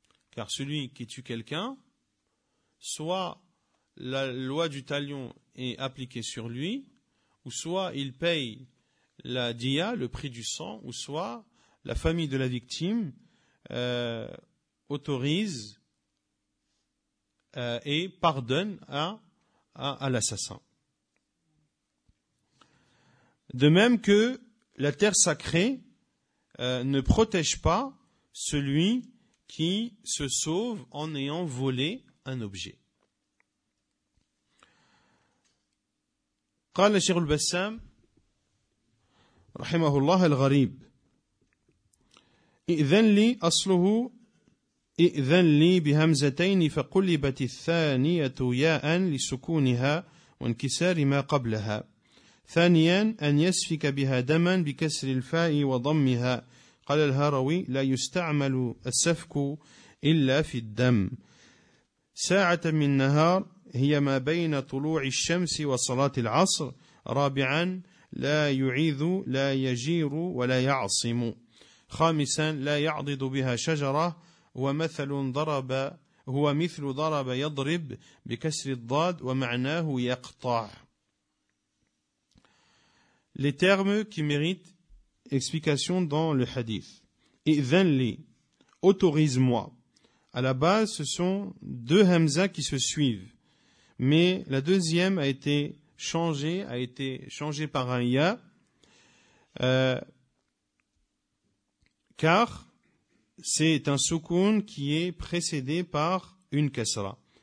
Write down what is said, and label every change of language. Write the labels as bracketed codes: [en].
[fr] Car celui qui tue quelqu'un, soit la loi du talion est appliquée sur lui, ou soit il paye la diya, le prix du sang, ou soit la famille de la victime autorise et pardonne à l'assassin. De même que la terre sacrée ne protège pas celui qui se sauve en ayant volé un objet. [ar] قال الشيخ البسام رحمه الله الغريب إذن لي أصله إذن لي بهمزتين فقلبت الثانية ياء لسكونها وانكسار ما قبلها. ثانيا أن يسفك بها دما بكسر الفاء وضمها. قال الهروي لا يستعمل السفك إلا في الدم. ساعة من النهار هي ما بين طلوع الشمس وصلاة العصر. رابعا لا يعيذ لا يجير ولا يعصم. خامسا لا يعضد بها شجرة. ومثل ضرب هو مثل ضرب يضرب بكسر الضاد ومعناه يقطع. [fr] Les termes qui méritent explication dans le hadith. [ar] إذن لي, [fr] autorise-moi. À la base, ce sont deux hamzas qui se suivent. Mais la deuxième a été changée par un ya. Car c'est un sukun qui est précédé par une kasra.